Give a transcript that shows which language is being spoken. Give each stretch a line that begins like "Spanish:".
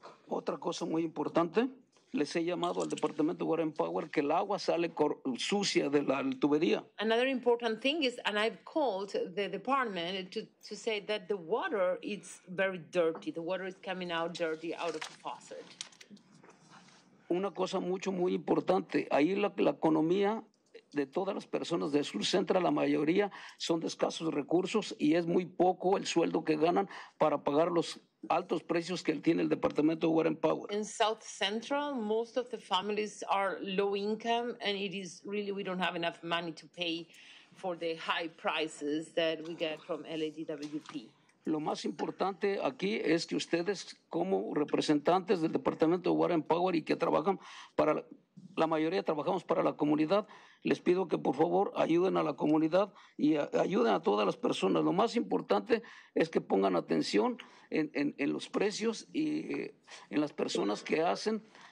Spanish: Otra cosa muy importante. Les he llamado al departamento de Water and Power que el agua sale sucia de la tubería.
English: Another important thing is, and I've called the department to say that the water is very dirty. The water is coming out dirty out of the faucet.
Spanish: Una cosa mucho muy importante, ahí la economía de todas las personas de Sur Centro, la mayoría son de escasos recursos y es muy poco el sueldo que ganan para pagar los altos precios que tiene el departamento de Water and Power.
English: In South Central, most of the families are low income, and it is really we don't have enough money to pay for the high prices that we get from LADWP.
Spanish: Lo más importante aquí es que ustedes, como representantes del departamento de Water and Power y que trabajan para la mayoría trabajamos para la comunidad, les pido que por favor ayuden a la comunidad y ayuden a todas las personas. Lo más importante es que pongan atención en los precios y en las personas que hacen.